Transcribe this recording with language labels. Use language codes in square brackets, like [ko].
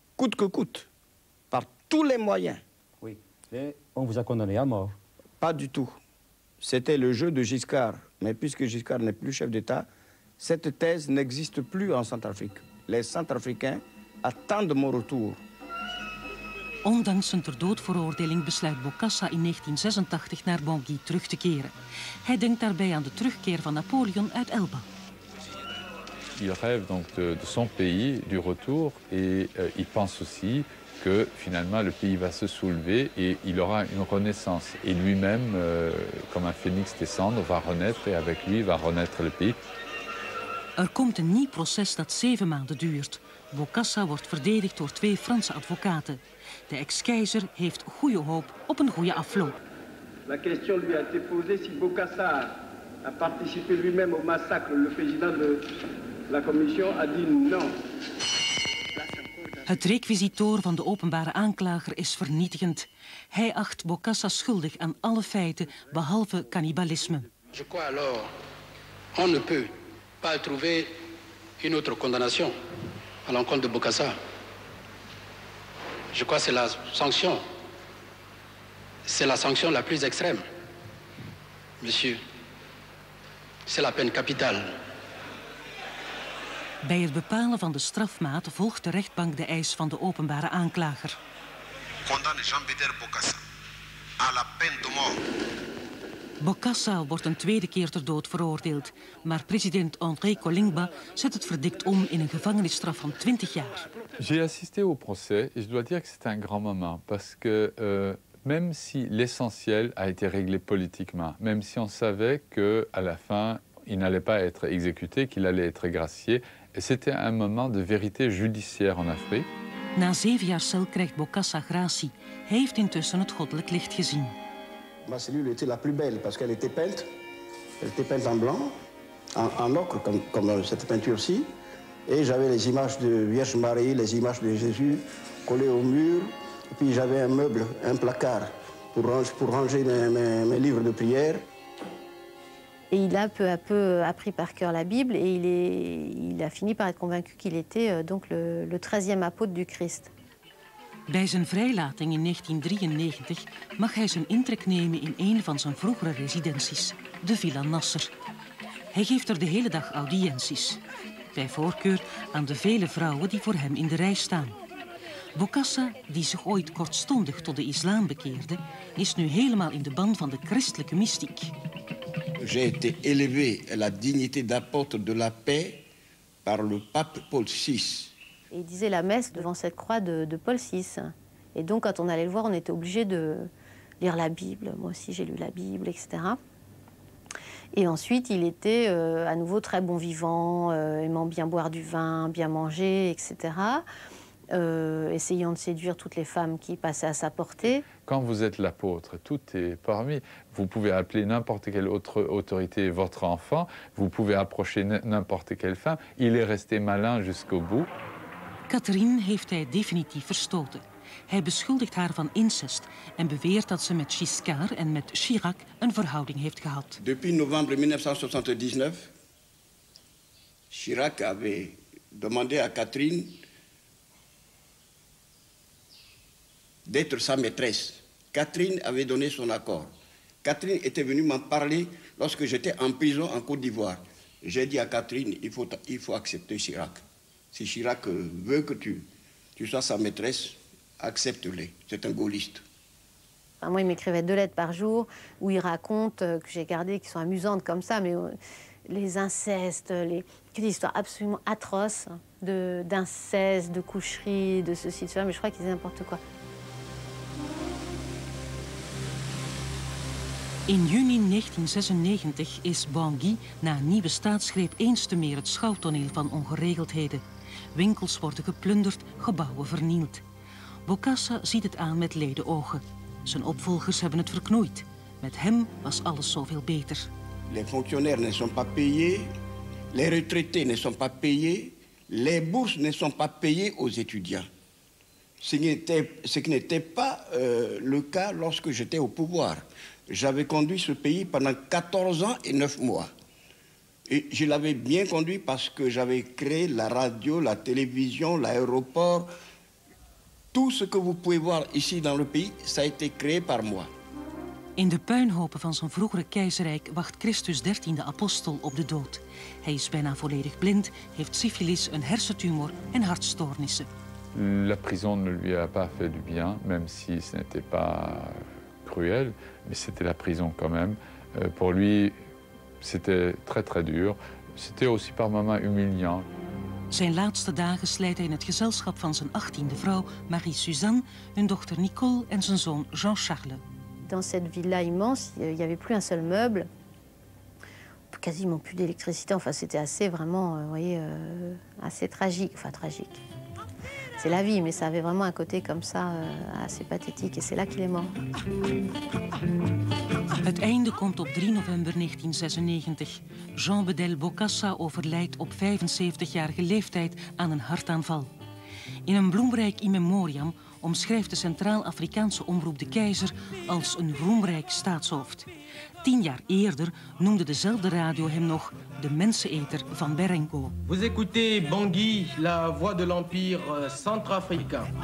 [fr] Coûte que coûte, par tous les moyens. Oui, et on vous a condamné à mort. Pas du tout. C'était le jeu de Giscard, mais puisque Giscard n'est plus chef d'État, cette thèse n'existe plus en Centrafrique. Les Centrafricains attendent mon retour. [nl] Ondanks een ter dood veroordeling besluit Bokassa in 1986 naar Bangui terug te keren. Hij denkt daarbij aan de terugkeer van Napoleon uit Elba. [fr] Il rêve donc de son pays, du retour, et il pense aussi que finalement le pays va se soulever et il aura une renaissance. Et lui-même, comme un phénix des cendres, va renaître et avec lui va renaître le pays. [nl] Er komt een nieuw proces dat 7 maanden duurt. Bokassa wordt verdedigd door 2 Franse advocaten. De ex-keizer heeft goede hoop op een goede afloop. [fr] La question lui a été posée si Bokassa a participé lui-même au massacre. Le président de la commission a dit non. [nl] Het requisitoor van de openbare aanklager is vernietigend. Hij acht Bokassa schuldig aan alle feiten behalve cannibalisme. [fr] Je crois alors on ne peut pas trouver une autre condamnation à l'encontre de Bokassa. Je crois que c'est la sanction. C'est la sanction la plus extrême. Monsieur, c'est la peine capitale. [nl] Bij het bepalen van de strafmaat volgt de rechtbank de eis van de openbare aanklager. [fr] Condamne Jean-Bédel Bokassa à la peine de mort. [nl] Bokassa wordt een tweede keer ter dood veroordeeld, maar president André Kolingba zet het verdict om in een gevangenisstraf van 20 jaar. [fr] J'ai assisté au procès et je dois dire que c'est un grand moment parce que même si l'essentiel a été réglé politiquement, même si on savait que à la fin il n'allait pas être exécuté, qu'il allait être gracié, et c'était un moment de vérité judiciaire en Afrique. [nl] Na 7 jaar cel krijgt Bokassa gratie. Hij heeft intussen het goddelijk licht gezien. [fr] Ma cellule était la plus belle parce qu'elle était peinte. Elle était peinte en blanc, en ocre, comme cette peinture-ci. Et j'avais les images de Vierge Marie, les images de Jésus collées au mur. Et puis j'avais un meuble, un placard, pour ranger mes livres de prière. Et il a peu à peu appris par cœur la Bible et il a fini par être convaincu qu'il était donc le 13e apôtre du Christ. [nl] Bij zijn vrijlating in 1993 mag hij zijn intrek nemen in een van zijn vroegere residenties, de Villa Nasser. Hij geeft er de hele dag audiënties. Bij voorkeur aan de vele vrouwen die voor hem in de rij staan. Bokassa, die zich ooit kortstondig tot de islam bekeerde, is nu helemaal in de ban van de christelijke mystiek. [fr] J'ai été élevé à la dignité d'apôtre de la paix par le pape Paul VI. Il disait la messe devant cette croix de Paul VI. Et donc, quand on allait le voir, on était obligé de lire la Bible. Moi aussi, j'ai lu la Bible, etc. Et ensuite, il était à nouveau très bon vivant, aimant bien boire du vin, bien manger, etc. Essayant de séduire toutes les femmes qui passaient à sa portée. Quand vous êtes l'apôtre, tout est permis. Vous pouvez appeler n'importe quelle autre autorité votre enfant. Vous pouvez approcher n'importe quelle femme. Il est resté malin jusqu'au bout. [nl] Catherine heeft hij definitief verstoten. Hij beschuldigt haar van incest en beweert dat ze met Giscard en met Chirac een verhouding heeft gehad. [fr] Depuis novembre 1979, Chirac avait demandé à Catherine d'être sa maîtresse. Catherine avait donné son accord. Catherine était venue m'en parler lorsque j'étais en prison en Côte d'Ivoire. J'ai dit à Catherine, il faut accepter Chirac. Si Chirac veut que tu sois sa maîtresse, accepte-le. C'est un gaulliste. Enfin, moi, il m'écrivait 2 lettres par jour où il raconte que j'ai gardé, qui sont amusantes comme ça, mais les incestes, des histoires absolument atroces d'inceste, de coucherie, de ceci, de cela, mais je crois qu'il disait n'importe quoi. [nl] In juni 1996 is Bangui na een nieuwe staatsgreep eens te meer het schouwtoneel van ongeregeldheden. Winkels worden geplunderd, gebouwen vernield. Bokassa ziet het aan met lede ogen. Zijn opvolgers hebben het verknoeid. Met hem was alles zoveel beter. [fr] Les fonctionnaires ne sont pas payés, les retraités ne sont pas payés, les bourses ne sont pas payées aux étudiants. Ce qui n'était pas le cas lorsque j'étais au pouvoir. J'avais conduit ce pays pendant 14 ans et 9 mois. Et je l'avais bien conduit parce que j'avais créé la radio, la télévision, l'aéroport. Tout ce que vous pouvez voir ici dans le pays, ça a été créé par moi. [nl] In de puinhopen van zijn vroegere keizerrijk wacht Christus 13e apostel op de dood. Hij is bijna volledig blind, heeft syfilis, een hersentumor en hartstoornissen. [fr] La prison ne lui a pas fait du bien, même si ce n'était pas cruel, mais c'était la prison quand même. Pour lui, c'était très très dur. C'était aussi par moments humiliant. [nl] Zijn laatste dagen slijt hij in het gezelschap van zijn 18e vrouw Marie-Suzanne, hun dochter Nicole en zijn zoon Jean-Charles. [fr] Dans cette villa immense, il n'y avait plus un seul meuble. Quasiment plus d'électricité. Enfin, c'était assez vraiment, vous voyez, assez tragique. Enfin, tragique. C'est la vie, mais ça avait vraiment un côté comme ça, assez pathétique. Et c'est là qu'il est mort. [nl] Het einde komt op 3 november 1996. Jean Bedel Bokassa overlijdt op 75-jarige leeftijd aan een hartaanval. In een bloemrijk in memoriam omschrijft de Centraal-Afrikaanse Omroep de keizer als een roemrijk staatshoofd. 10 jaar eerder noemde dezelfde radio hem nog de menseneter van Berengo. [fr] Vous écoutez Bangui, la voix de l'Empire Centrafricain.